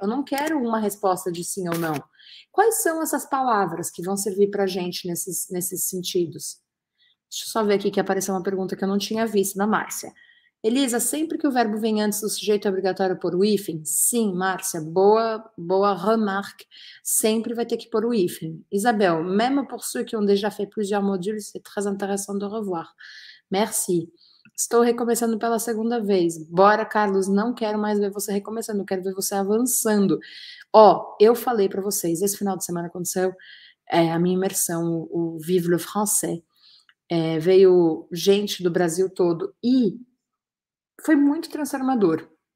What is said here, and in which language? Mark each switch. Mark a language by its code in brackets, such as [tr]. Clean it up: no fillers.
[pt] Eu não quero uma resposta de sim ou não. Quais são essas palavras que vão servir para a gente nesses sentidos? Deixa eu só ver aqui que apareceu uma pergunta que eu não tinha visto da Márcia. Elisa, sempre que o verbo vem antes do sujeito é obrigatório pôr o hífen? Sim, Márcia, boa, boa remarque. Sempre vai ter que pôr o hífen. [fr] Isabel, même pour ceux qui ont déjà fait plusieurs modules, c'est très intéressant de revoir. Merci. [pt] Estou recomeçando pela segunda vez. Bora, Carlos, não quero mais ver você recomeçando, quero ver você avançando. Ó, eu falei para vocês, esse final de semana aconteceu a minha imersão, o Vive le Français. É, veio gente do Brasil todo e foi muito transformador.